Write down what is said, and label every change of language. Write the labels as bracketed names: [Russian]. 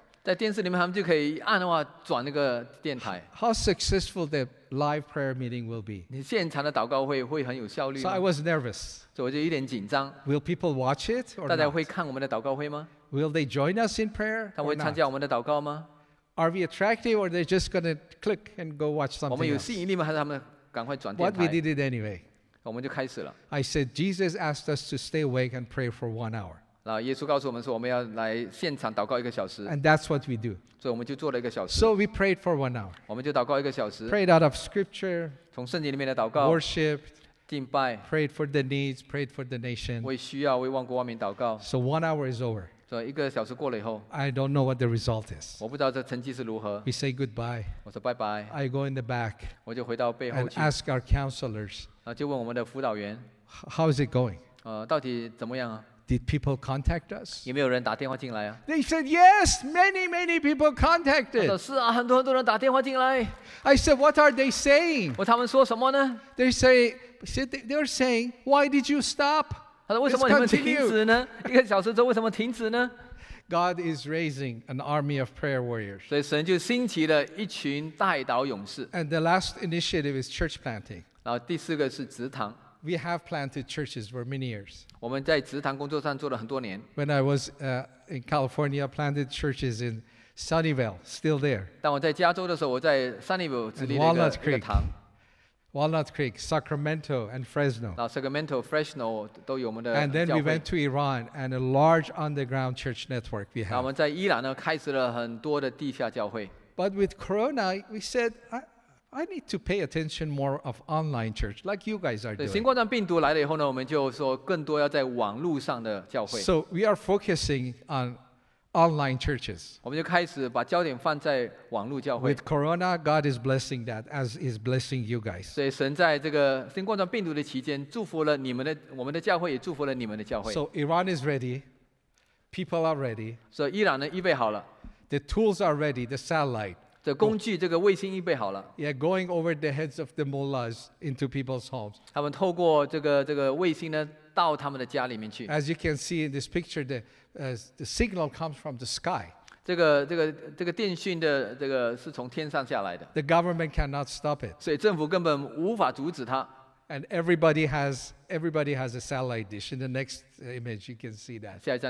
[Chinese] 在电视里面他们就可以按的话转那个电台。 [English] How successful the live prayer meeting will be. [Chinese] 你现场的祷告会会很有效率吗? [English] So I was nervous. [Chinese] 所以我就有点紧张。 [English] Will people watch it or [Chinese] 大家会看我们的祷告会吗? [English] Will they join us in prayer? [Chinese] 他们会参加我们的祷告吗? [English] Are we attractive or they're just going to click and go watch something [Chinese] 我们有吸引力吗?还是他们赶快转电台? [English] What we did it anyway. [Chinese] 我们就开始了。 [English] I said, Jesus asked us to stay awake and pray for 1 hour. [Chinese] 耶稣告诉我们说我们要来现场祷告一个小时。 [English] And that's what we do. [Chinese] 所以我们就做了一个小时。 [English] So we prayed for 1 hour. [Chinese] 我们就祷告一个小时。 [English] Prayed out of scripture. [Chinese] 从圣经里面的祷告。 [English] Worshiped. [Chinese] 敬拜。 [English] Prayed for the needs, prayed for the nation. [Chinese] 为需要，为万国万民祷告。 [English] So 1 hour is over. [Chinese] 所以一个小时过了以后。 [English] I don't know what the result is. [Chinese] 我不知道这成绩是如何。 [English] We say goodbye. [Chinese] 我说拜拜。 [English] I go in the back. [Chinese] 我就回到背后去。 [English] And ask our counselors. [Chinese] 就问我们的辅导员。 [English] How is it going? [Chinese] 到底怎么样啊? [English] Did people contact us? [Chinese] 有没有人打电话进来啊? [English] They said, yes, many, many people contacted. [Chinese] 他说, 是啊, 很多人打电话进来。 [English] I said, what are they saying? [Chinese] 他们说什么呢? [English] They're saying, why did you stop? [Chinese] 他说, 为什么你们停止呢?一个小时之后为什么停止呢? [English] God is raising an army of prayer warriors. [Chinese] 所以神就兴起了一群代祷勇士。 [English] And the last initiative is church planting. [Chinese] 然后第四个是职堂。 [English] We have planted churches for many years. [Chinese] 我们在职堂工作上做了很多年。 [English] When I was in California, I planted churches in Sunnyvale, still there. [Chinese] 当我在加州的时候, 我在Sunnyvale之里的一个, Walnut Creek, 一个堂。 [English] Walnut Creek, Sacramento, and Fresno. [Chinese] Sacramento, Fresno, 都有我们的教会。 [English] And then we went to Iran, and a large underground church network we have. [Chinese] 我们在伊朗呢, 开始了很多的地下教会。 [English] But with Corona, we said, I need to pay attention more of online church, like you guys are doing. [Chinese] 新冠状病毒来了以后呢，我们就说更多要在网络上的教会。 [English] So we are focusing on online churches. [Chinese] 我们就开始把焦点放在网络教会。 [English] With Corona, God is blessing that, as is blessing you guys. [Chinese] 所以神在这个新冠状病毒的期间，祝福了你们的，我们的教会也祝福了你们的教会。 [English] So Iran is ready, people are ready. [Chinese] 所以伊朗呢，预备好了。 [English] The tools are ready, the satellite. [Chinese] 这工具，这个卫星预备好了。 [English] Yeah, going over the heads of the mullahs into people's homes. [Chinese] 他们透过这个卫星呢，到他们的家里面去。 [English] As you can see in this picture, the signal comes from the sky. [Chinese] 这个电讯的这个是从天上下来的。 [English] The government cannot stop it. [Chinese] 所以政府根本无法阻止它。 [English] And everybody has a satellite dish. In the next image, you can see that.